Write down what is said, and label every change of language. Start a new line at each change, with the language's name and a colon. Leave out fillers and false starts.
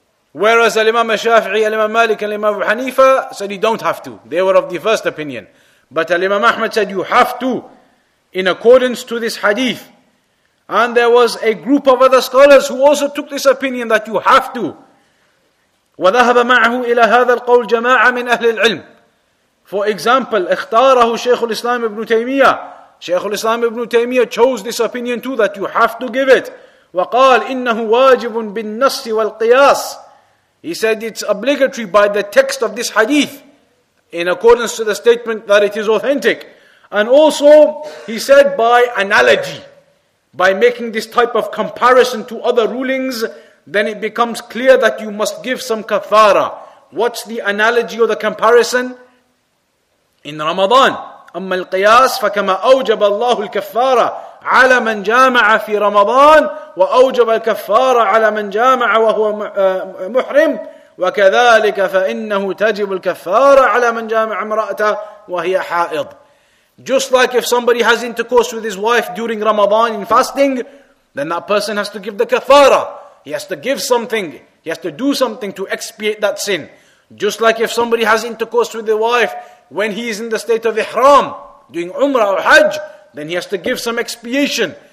English: Whereas Imam Shafi'i, Imam Malik, and Imam Hanifa said you don't have to. They were of the first opinion. But Imam Ahmad said you have to, in accordance to this hadith. And there was a group of other scholars who also took this opinion that you have to.
Arabic: وَذَهَبَ مَعْهُ إِلَى هَذَا الْقَوْلِ جَمَاعَ مِنْ أَهْلِ الْعِلْمِ.
English: For example,
Arabic: اختاره شيخ الإسلام ابن تيمية.
English: شيخ الإسلام ابن تيمية chose this opinion too, that you have to give it.
Arabic: وقال إنه واجب بالنص والقياس.
English: He said it's obligatory by the text of this hadith, in accordance to the statement that it is authentic. And also, he said by analogy, by making this type of comparison to other rulings, then it becomes clear that you must give some kafara. What's the analogy or the comparison? In Ramadan,
Arabic: أما القياس فكما أوجب الله الكفارة على من جامع في رمضان وأوجب الكفارة على من جامع وهو محرم وكذلك فإنه تجب الكفارة على من جامع امرأته وهي حائض.
English: Just like if somebody has intercourse with his wife during Ramadan in fasting, then that person has to give the kafara. He has to give something. He has to do something to expiate that sin. Just like if somebody has intercourse with the wife when he is in the state of ihram, doing umrah or hajj, then he has to give some expiation.